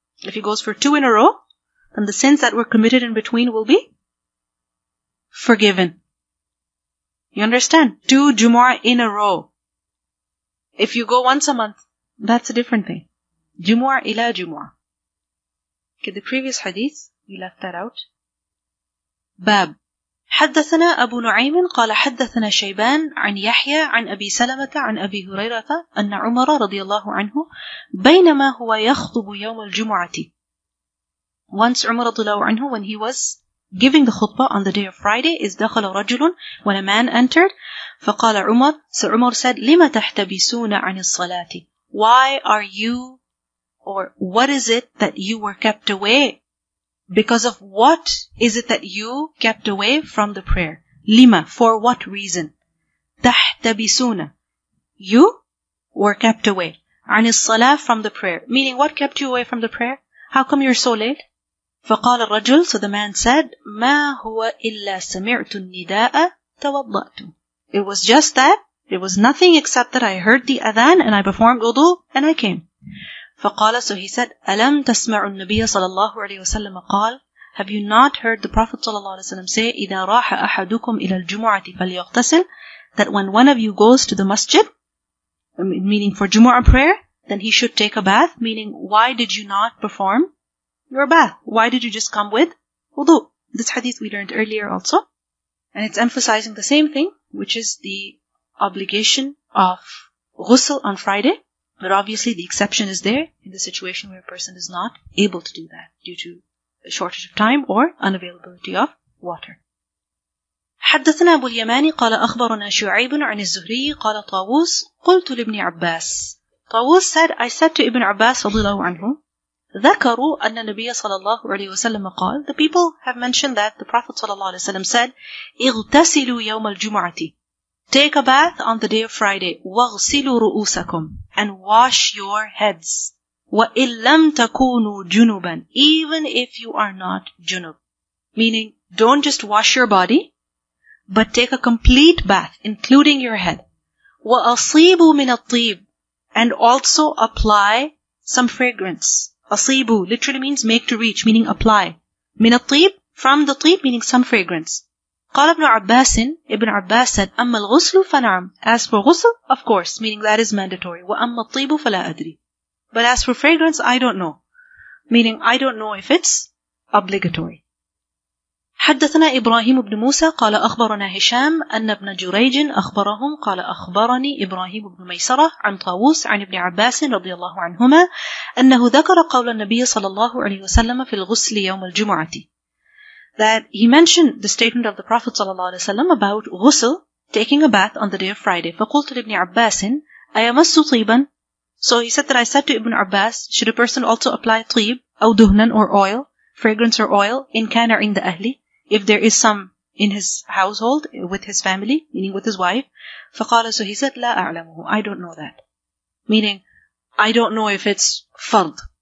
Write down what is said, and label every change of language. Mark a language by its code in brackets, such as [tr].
[en] If he goes for two in a row, then the sins that were committed in between will be forgiven. You understand? Two Jumu'ah in a row. If you go once a month, that's a different thing. Jumu'ah ila Jumu'ah. Okay, the previous hadith, we left that out. Bab. [ar] حدثنا أبو نعيم قال حدثنا شيبان عن يحيى عن أبي سلمة عن أبي هريرة أن عمر رضي الله عنه بينما هو يخطب يوم الجمعة. [en] Once عمر رضي الله عنه, when he was giving the khutbah on the day of Friday, is [ar] دخل رجل, [en] when a man entered, [ar] فقال عمر, [en] so عمر said, [ar] لما تحتبسون عن الصلاة? [en] Why are you, or what is it that you were kept away? Because of what is it that you kept away from the prayer? Lima, for what reason? تحتبسونَ, you were kept away. [ar] عن الصلاة, [en] from the prayer. Meaning, what kept you away from the prayer? How come you're so late? [ar] فقال الرجل, [en] so the man said, [ar] ما هو إلا سمعت النداء توضأت. [en] It was just that, it was nothing except that I heard the adhan and I performed wudu and I came. فقال, so he said, [ar] ألم تسمع النبي صلى الله عليه وسلم قال, [en] have you not heard the Prophet صلى الله عليه وسلم say, [ar] إذا راح أحدكم إلى الجمعة فليغتسل, [en] that when one of you goes to the masjid, meaning for Jumu'ah prayer, then he should take a bath, meaning why did you not perform your bath? Why did you just come with wudu? This hadith we learned earlier also. And it's emphasizing the same thing, which is the obligation of ghusl on Friday. But obviously the exception is there in the situation where a person is not able to do that due to a shortage of time or unavailability of water. [ar] حدثنا أبو اليماني قال أخبرنا شعيب عن الزهري قال طاووس قلت لابن عباس. [en] طاووس said, I said to Ibn Abbas رضي الله عنه, [ar] ذكروا أن النبي صلى الله عليه وسلم قال, [en] the people have mentioned that the Prophet صلى الله عليه وسلم said, [ar] اغتسلوا يوم الجمعة, [en] take a bath on the day of Friday, [ar] واغسلوا رؤوسكم, [en] and wash your heads, [ar] وإن لم تكونوا جنبا, [en] even if you are not جنب, meaning don't just wash your body, but take a complete bath, including your head, [ar] وأصيبوا من الطيب, [en] and also apply some fragrance. أصيبوا literally means make to reach, meaning apply. [ar] من الطيب, [en] from the طيب, meaning some fragrance. [ar] قال ابن عباس, ابن عباس said, أما الغسل فنعم. [en] As for غسل, of course, meaning that is mandatory. [ar] وأما الطيب فلا أدري. [en] But as for fragrance, I don't know. Meaning, I don't know if it's obligatory. [ar] حدثنا إبراهيم بن موسى قال أخبرنا هشام أن ابن جريج أخبرهم قال أخبرني إبراهيم بن ميسرة عن طاووس عن ابن عباس رضي الله عنهما أنه ذكر قول النبي صلى الله عليه وسلم في الغسل يوم الجمعة. [en] That he mentioned the statement of the Prophet sallallahu alaihi wasallam about ghusl, taking a bath on the day of Friday. [ar] فقلت لابن عباس أيمس طيبا. [en] So he said that I said to Ibn Abbas, should a person also apply طيب [ar] أو دهنا [en] or oil, fragrance or oil, in [ar] كان عند أهلي, [en] if there is some in his household with his family, meaning with his wife. فقال, so he said, [ar] لا أعلمه, [en] I don't know that, meaning I don't know if it's فرض.